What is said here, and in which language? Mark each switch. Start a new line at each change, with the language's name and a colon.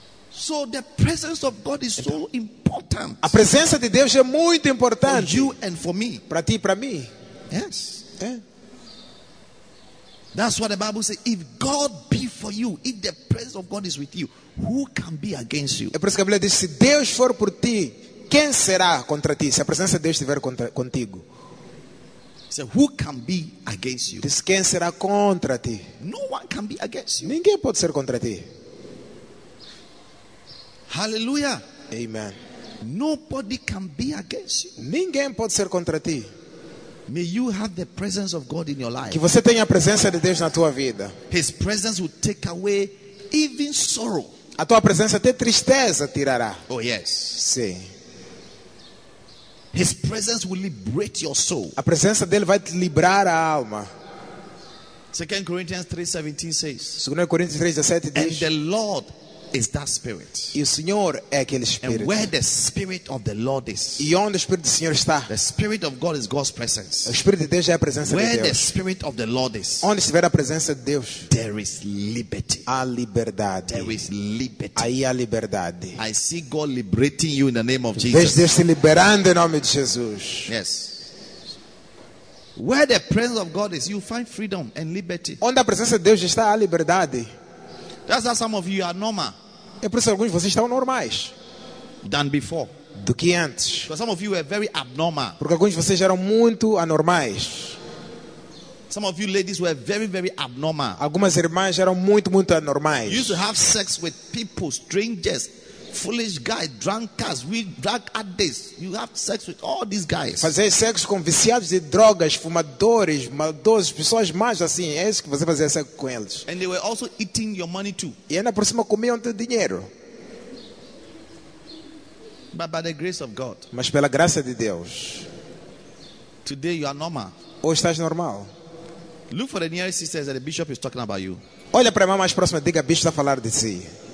English: So the presence of God is so important.
Portuguese: A presença de Deus é muito importante.
English: For you and for me.
Portuguese: Para ti e para mim.
English: Yes. Yeah. That's what the Bible says. If God be for you, if the presence of God is with you, who can be against you?
Portuguese: É por isso que a Bíblia diz, se Deus for por ti, quem será contra ti? Se a presença de Deus estiver contigo.
English: So who can be against you?
Portuguese: Diz, quem será contra ti?
English: No one can be against you.
Portuguese: Ninguém pode ser contra ti.
English: Hallelujah.
Portuguese: Amen.
English: Nobody can be against you.
Portuguese: Ninguém pode ser contra ti.
English: May you have the presence of God in your life.
Portuguese: Que você tenha a presença de Deus na tua vida.
English: His presence will take away even sorrow.
Portuguese: A tua presença até tristeza tirará.
English: Oh yes.
Portuguese: Sim.
English: His presence will liberate your soul.
Portuguese: A presença dele vai te liberar a alma.
English: 2 Corinthians 3:17 says.
Portuguese: 2 Coríntios 3:17 diz.
English: And the Lord is that spirit.
Portuguese: E o Senhor é aquele espírito.
English: And where the spirit of the Lord is.
Portuguese: E onde o espírito do Senhor está?
English: The spirit of God is God's presence.
Portuguese: O espírito de Deus é a presença
English: where
Portuguese: de Deus.
English: Where the spirit of the Lord is.
Portuguese: Onde estiver a presença de Deus.
English: There is liberty.
Portuguese: Há liberdade.
English: There is liberty.
Portuguese: Aí há liberdade.
English: I see God liberating you in the name of Jesus.
Portuguese: Vejo Deus te liberando em nome de Jesus.
English: Yes. Where the presence of God is, you find freedom and liberty.
Portuguese: Onde a presença de Deus está, há liberdade.
English: That's how some of you are normal.
Portuguese: É por isso que alguns de vocês estão normais.
English: Than before.
Portuguese: Do que antes.
English: Because some of you were very abnormal.
Portuguese: Porque alguns de vocês eram muito anormais.
English: Some of you ladies were very, very abnormal.
Portuguese: Algumas irmãs eram muito, muito anormais.
English: You used to have sex with people, strangers, foolish guys, drunkards, drug addicts. You have sex with all these guys.
Portuguese: Fazer sexo com viciados de drogas, fumadores, maldosos, pessoas más assim. É isso que você fazia sexo com eles.
English: And they were also eating your money too.
Portuguese: E ainda por cima comiam teu dinheiro.
English: But by the grace of God.
Portuguese: Mas pela graça de Deus.
English: Today you are normal.
Portuguese: Hoje estás normal.
English: Look for the nearest sisters that the bishop is talking about you.
Portuguese: Olha para a irmã mais próxima, diga, bicho está a falar de si.